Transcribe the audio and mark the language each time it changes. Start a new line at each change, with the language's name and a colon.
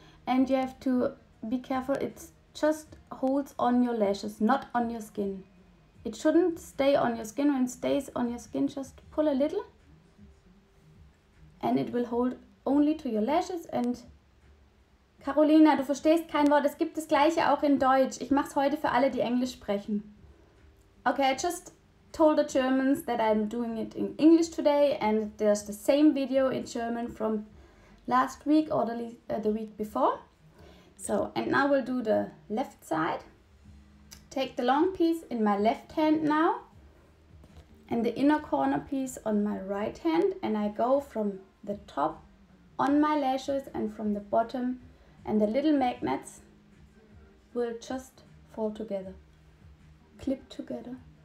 English: And you have to be careful. It just holds on your lashes, not on your skin. It shouldn't stay on your skin. When it stays on your skin, just pull a little and it will hold only to your lashes.
German: And Carolina, du verstehst kein Wort. Es gibt das gleiche auch in Deutsch. Ich mach's heute für alle, die Englisch sprechen.
English: Okay, I just told the Germans that I'm doing it in English today and there's the same video in German from last week or the week before. So, and now we'll do the left side. Take the long piece in my left hand now and the inner corner piece on my right hand, and I go from the top on my lashes and from the bottom, and the little magnets will just fall together, clip together.